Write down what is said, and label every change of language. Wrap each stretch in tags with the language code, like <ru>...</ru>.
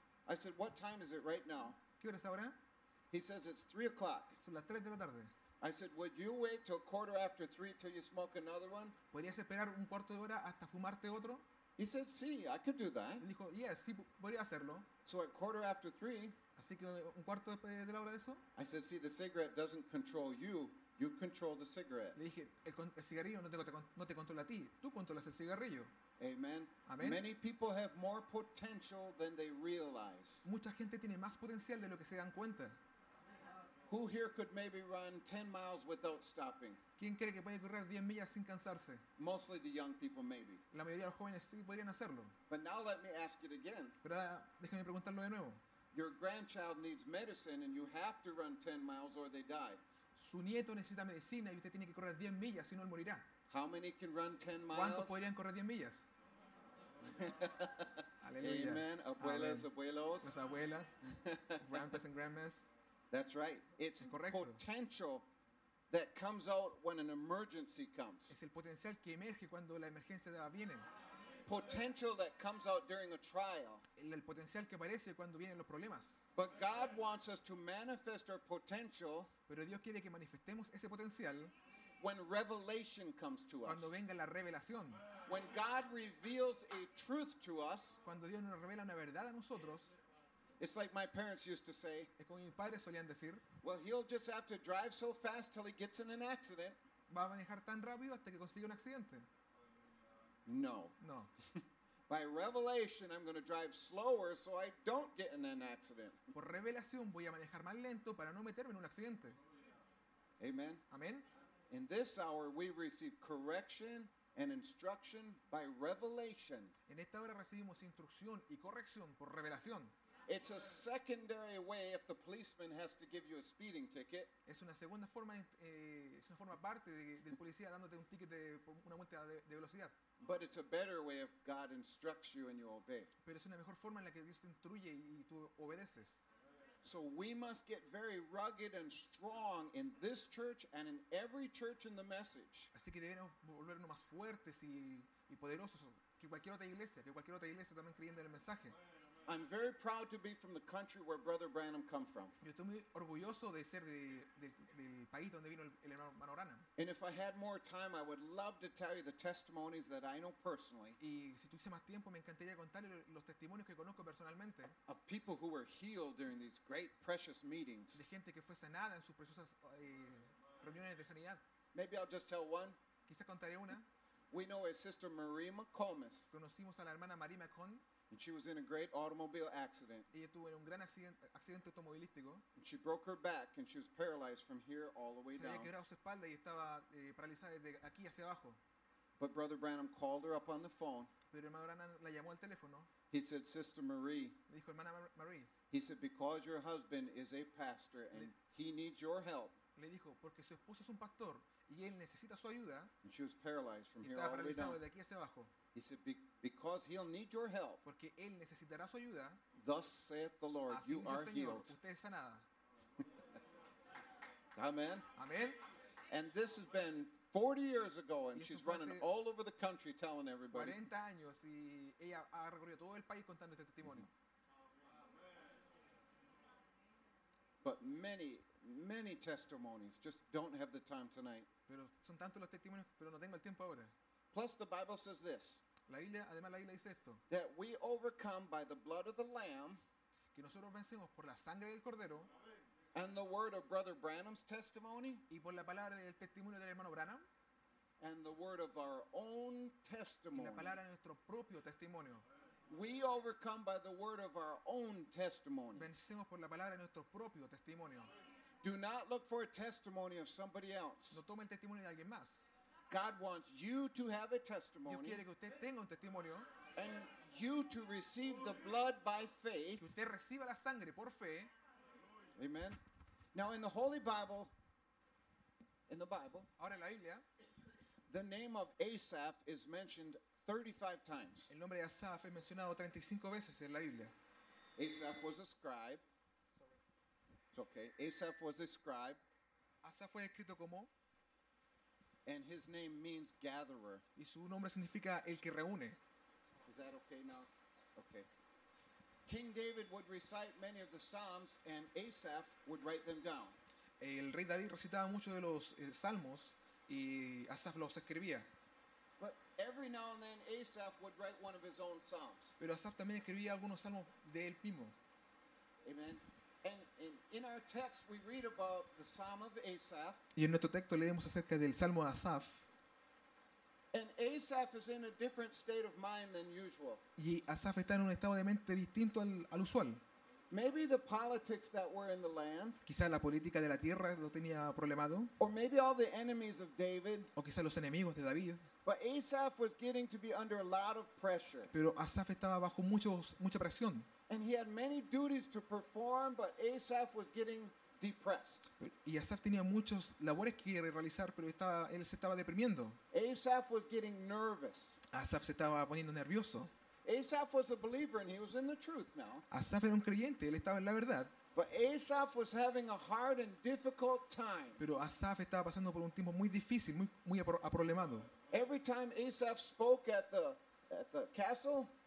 <en>I said, what time is it right now?</en> <es>¿Qué hora es ahora?</es> <en>He says, it's 3:00.</en> <es>Son las 3 de la tarde.</es> <en>I said, would you wait till 3:15 till you smoke another one?</en> <es>¿Podrías esperar un cuarto de hora hasta fumarte otro?</es> <en>He said, sí, I could do that.</en> <es>Él dijo, yes, sí, podría hacerlo.</es> <en>So at 3:15,</en> <es>así que un cuarto después de la hora de eso,</es> <en>I said, see, the cigarette doesn't control you, you control the cigarette.</en> <es>Le dije, el cigarrillo no te controla a ti, tú controlas el cigarrillo.</es> <en>Amen.</en> <es>Amen.</es> <en>Many people have more potential than they realize.</en> <es>Mucha gente tiene más potencial de lo que se dan cuenta.</es> <en>Who here could maybe run 10 miles without stopping?</en> <es>¿Quién cree que puede correr 10 millas sin cansarse?</es> <en>Mostly the young people maybe.</en> <es>La mayoría de los jóvenes sí podrían hacerlo.</es> <en>But now let me ask it again.</en> <es>Pero déjame preguntarlo de nuevo.</es> <en>Your grandchild needs medicine and you have to run 10 miles or they die.</en> <es>Su nieto necesita medicina y usted tiene que correr 10 millas si no él morirá.</es> <en>How many can run 10 miles?</en> <es>¿Cuántos podrían correr 10 millas? Aleluya. Amen. Abuelas, amen. Abuelos. Las abuelas.</es> <en>Grandpas and grandmas. That's right. It's potential that comes out when an emergency comes.</en> <es>Es el potencial que emerge cuando la emergencia viene.</es> <en>Potential that comes out during a trial.</en> <es>El potencial que aparece cuando vienen los problemas.</es> <en>But God wants us to manifest our potential.</en> <es>Pero Dios quiere que manifestemos ese potencial.</es> <en>When revelation comes to us.</en> <es>Cuando venga la revelación.</es> <en>When God reveals a truth to us.</en> <es>Cuando Dios nos revela una verdad a nosotros.</es> <en>It's like my parents used to say.</en> <es>Es como mis padres solían decir.</es> <en>Well, he'll just have to drive so fast till he gets in an accident.</en> <es>Va a manejar tan rápido hasta que consiga un accidente.</es> <en>No.</en> <es>No.</es> <en>By revelation, I'm going to drive slower so I don't get in an accident.</en> <es>Por revelación voy a manejar más lento para no meterme en un accidente.</es> <en>Amen. Amen. In this hour, we receive correction and instruction by revelation.</en> <es>En esta hora recibimos instrucción y corrección por revelación.</es> <en>It's a secondary way if the policeman has to give you a speeding ticket.</en> <es>Es una segunda forma, es una forma aparte del policía dándote un ticket de una multa de velocidad.</es> <en>But it's a better way if God instructs you and you obey.</en> <es>Pero es una mejor forma en la que Dios te instruye y tú obedeces.</es> <en>So we must get very rugged and strong in this church and in every church in the message.</en> <es>Así que debemos volvernos más fuertes y poderosos que cualquier otra iglesia también creyendo en el mensaje.</es> <en>I'm very proud to be from the country where Brother Branham come from.</en> <es>Yo estoy muy orgulloso de ser del país donde vino el hermano Branham.</es> <en>And if I had more time, I would love to tell you the testimonies that I know personally.</en> <es>Y si tuviese más tiempo, me encantaría contarle los testimonios que conozco personalmente.</es> <en>Of people who were healed during these great precious meetings.</en> <es>De gente que fue sanada en sus preciosas reuniones de sanidad.</es> <en>Maybe I'll just tell one.</en> <es>Quizá contaré una.</es> <en>We know a sister Marie McComas.</en> <es>Conocimos a la hermana Marie McComas.</es> <en>And she was in a great automobile accident.</en> <es>Ella estuvo en un gran accidente automovilístico.</es> <en>And she broke her back and she was paralyzed from here all the way down.</en> <es>Se había quebrado su espalda y estaba paralizada desde aquí hacia abajo.</es> <en>But Brother Branham called her up on the phone.</en> <es>Pero hermano Branham la llamó al teléfono.</es> <en>He said, Sister Marie.</en> <es>Le dijo, hermana Marie.</es> <en>He said, because your husband is a pastor and he needs your help.</en> <es>Le dijo, porque su esposo es un pastor y él necesita su ayuda.</es> <en>And she was paralyzed from here all the way down.</en> <es>De aquí hacia abajo.</es> <en>He said, because he'll need your help.</en> <es>Porque él necesitará su ayuda.</es> <en>Thus saith the Lord,</en> <es>así</es> <en>you</en> <es>dice</es> <en>are</en> <es>el Señor,</es> <en>healed.</en> <es>Usted es sanada.</es> <en>Amen.</en> <es>Amen.</es> <en>And this has been 40 years ago, and she's running all over the country telling everybody.</en> <es>40 años y ella ha recorrido todo el país contando este testimonio.</es> <en>But many, many testimonies. Just don't have the time tonight.</en> <es>Pero son tantos los testimonios, pero no tengo el tiempo ahora.</es> <en>Plus, the Bible says this.</en> <es>La Biblia, además, la Biblia dice esto.</es> <en>That we overcome by the blood of the Lamb.</en> <es>Que nosotros vencemos por la sangre del Cordero.</es> <en>And the word of Brother Branham's testimony.</en> <es>Y por la palabra del testimonio del hermano Branham.</es> <en>And the word of our own testimony.</en> <es>Y la palabra de nuestro propio testimonio.</es> <en>We overcome by the word of our own testimony.</en> <es>Vencemos por la palabra de nuestro propio testimonio.</es> <en>Do not look for a testimony of somebody else.</en> <es>No tome el testimonio de alguien más.</es> <en>God wants you to have a testimony.</en> <es>Dios quiere que usted tenga un testimonio.</es> <en>And you to receive the blood by faith.</en> <es>Que usted reciba la sangre por fe. Amen.</es> <en>Now in the Holy Bible, in the Bible,</en> <es>ahora en la Biblia,</es> <en>the name of Asaph is mentioned 35 times.</en> <es>El nombre de Asaph es mencionado 35 veces en la Biblia.</es> <en>Asaph was a scribe. Sorry. It's okay. Asaph was a scribe.</en> <es>Asaph fue escrito como.</es> <en>And his name means gatherer.</en> <es>Y su nombre significa el que reúne.</es> <en>Is that okay now? Okay. King David would recite many of the Psalms and Asaph would write them down.</en> <es>El rey David recitaba muchos de los salmos y Asaph los escribía.</es> <en>But every now and then Asaph would write one of his own Psalms.</en> <es>Pero Asaph también escribía algunos salmos de él mismo. Amen.</es> <en>And in our text we read about the Psalm of Asaph.</en> <es>Y en nuestro texto leemos acerca del Salmo de Asaf.</es> <en>And Asaph is in a different state of mind than usual.</en> <es>Y Asaf está en un estado de mente distinto al usual.</es> <en>Maybe the politics that were in the land.</en> <es>Quizá la política de la tierra lo tenía problemado.</es> <en>Or maybe all the enemies of David.</en> <es>O quizá los enemigos de David.</es> <en>But Asaph was getting to be under a lot of pressure.</en> <es>Pero Asaf estaba bajo mucha presión.</es> <en>And he had many duties to perform, but Asaph was getting depressed.</en> <es>Y Asaf tenía muchos labores que realizar, pero él se estaba deprimiendo.</es> <en>Asaph was getting nervous.</en> <es>Asaf se estaba poniendo nervioso.</es> <en>Asaph was a believer and he was in the truth now.</en> <es>Asaf era un creyente, él estaba en la verdad.</es> <en>But Asaph was having a hard and difficult time.</en> <es>Pero Asaf estaba pasando por un tiempo muy difícil, muy aproblemado.</es> <en>Every time Asaph spoke at the castle,</en>